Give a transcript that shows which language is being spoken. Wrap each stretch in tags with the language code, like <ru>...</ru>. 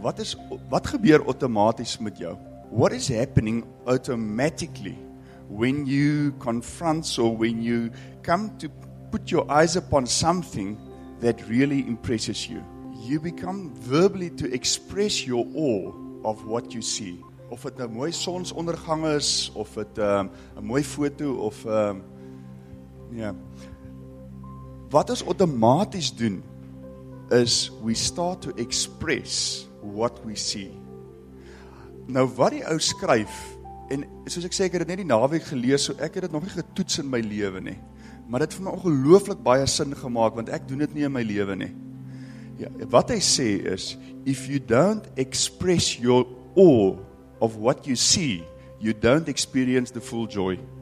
<af>Wat gebeur automatisch met jou?</af> <en>What is happening automatically when you confront or when you come to put your eyes upon something that really impresses you? You become verbally to express your awe of what you see.</en> <af>Of het een mooi sonsondergang is, of het een mooi foto, of Wat ons automatisch doen, is</af> <en>we start to express what we see.</en> <af>Nou, wat die ou skryf, en soos ek sê, ek het net die naweek gelees, so ek het dit nog nie getoets in my lewe nie. Maar dit het vir my ongelooflik baie sin gemaak, want ek doen dit nie in my lewe nie. Ja, wat hy sê is,</af> <en>if you don't express your awe of what you see, you don't experience the full joy.</en>